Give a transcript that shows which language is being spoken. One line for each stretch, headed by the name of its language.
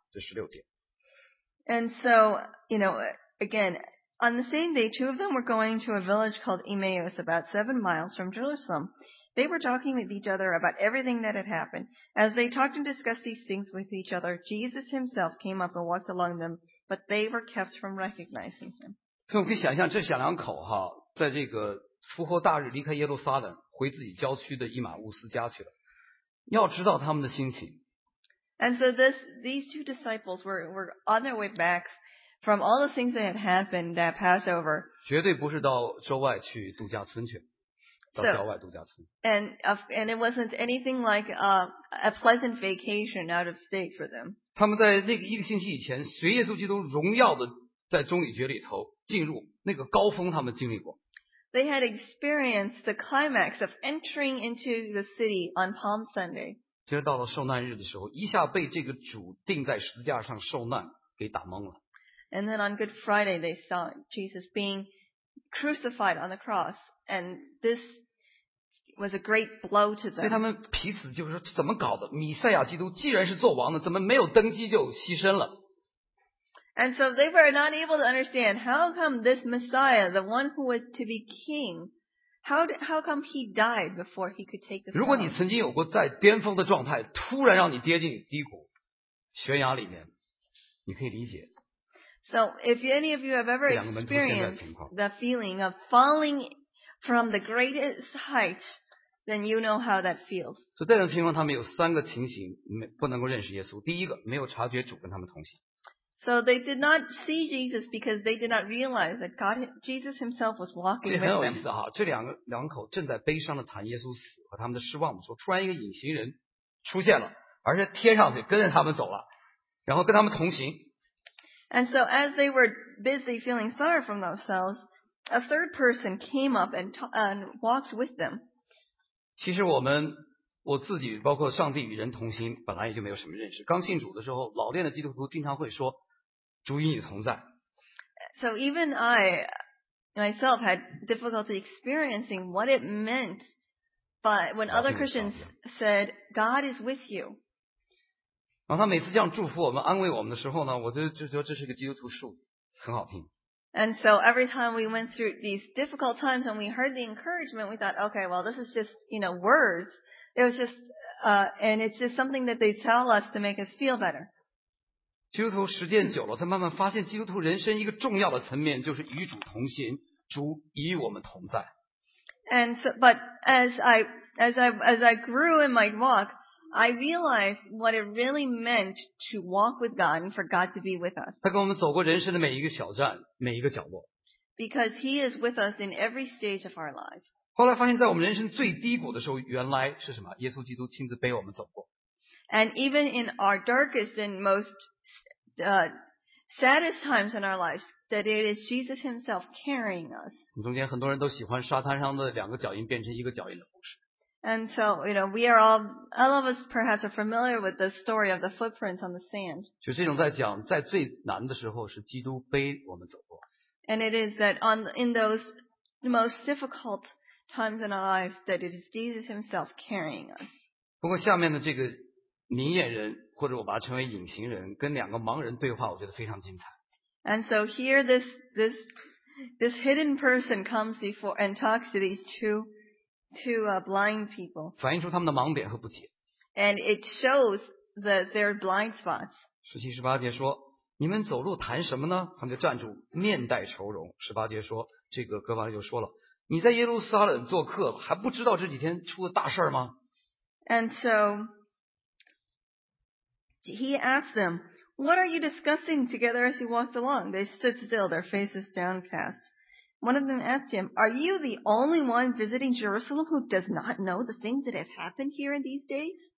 Chinese: 这16节。
English: And so, you know, again, on the same day, two of them were going to a village called Emmaus, about 7 miles from Jerusalem. They were talking with each other about everything that had happened. As they talked and discussed these things with each other, Jesus himself came up and walked along them, but they were kept from recognizing him.
Chinese: 所以我可以想象这小两口哈，在这个复活大日离开耶路撒冷回自己郊区的以马忤斯家去了，要知道他们的心情。
English: And so these two disciples were on their way back from all the things that had happened that Passover.
Chinese: 绝对不是到州外去度假村去。
English: So, and it wasn't anything like a pleasant vacation out of state for them.
Chinese: 他们在那个一个星期以前，随耶稣基督荣耀的在中里觉里头进入那个高峰，他们经历过。
English: They had experienced the climax of entering into the city on Palm Sunday.
Chinese: 其实到了受难日的时候，一下被这个主钉在十字架上受难给打懵了。
English: And then on Good Friday, they saw Jesus being crucified on the cross. And this was a great blow to them.
Chinese: 所以他们彼此就是怎么搞的？弥赛亚基督既然是做王的，怎么没有登基就牺牲了
English: ？And so they were not able to understand how come this Messiah, the one who was to be king, how come he died before he could take the throne?
Chinese: 如果你曾经有过在巅峰的状态，突然让你跌进低谷、悬崖里面，你可以理解。
English: So if any of you have ever experienced the feeling of falling from the greatest height, then you know how that feels.
Chinese: 所以在这种情况，他们有三个情形不能够认识耶稣。第一个，没有察觉主跟他们同行。
English: So they did not see Jesus because they did not realize that God, Jesus Himself was walking with them.
Chinese: 这很有意思哈，这两口正在悲伤的谈耶稣死和他们的失望的时候，突然一个隐形人出现了，而且贴上去跟着他们走了，然后跟他们同行。
English: And so as they were busy feeling sorry for themselves. A third person came up and walked with them.
Chinese: 其实我自己包括上帝与人同行，本来也就没有什么认识。刚信主的时候，老练的基督徒经常会说：“主与你同在。”
English: So even I myself had difficulty experiencing what it meant, but when other Christians said, "God is with you."
Chinese: 然后他每次这样祝福我们、安慰我们的时候呢，我就觉得这是一个基督徒术语，很好听。
English: And so every time we went through these difficult times and we heard the encouragement, we thought, okay, well, this is just, you know, words. It was just, and it's just something that they tell us to make us feel better.
Chinese: 基督徒实践久了，他慢慢发现基督徒人生一个重要的层面就是与主同行，主与我们同在。
English: And so, but as I grew in my walk, I realized what it really meant to walk with God and for God to be with us.
Chinese: 他跟我们走过人生的每一个小站。每一个角落。
English: Because he is with us in every stage of our lives.
Chinese: 后来发现在我们人生最低谷的时候原来是什么耶稣基督亲自背我们走过。
English: And even in our darkest and most saddest times in our lives, that it is Jesus himself carrying us.
Chinese: 中间很多人都喜欢沙滩上的两个脚印变成一个脚印的故事。
English: And so, you know, we are all of us perhaps are familiar with the story of the footprints on the sand.
Chinese: 就是一种在讲在最难的时候是基督背我们走过。
English: And it is that in those most difficult times in our lives that it is Jesus himself carrying us.
Chinese: 不过下面的这个明眼人或者我把它称为隐形人跟两个盲人对话我觉得非常精彩。
English: And so here this hidden person comes before and talks to these two blind people.
Chinese: 反映出他们的盲点和不解。
English: And it shows that they're blind spots.
Chinese: 17、18节说 你们走路谈什么呢?他们就站住面带愁容。18节说,这个哥玛利就说了,你在耶路撒冷做客,还不知道这几天出了大事吗?
English: And so, he asked them, what are you discussing together as you walked along? They stood still, their faces downcast. One of them asked him, are you the only one visiting Jerusalem who does not know the things that have happened here in these days?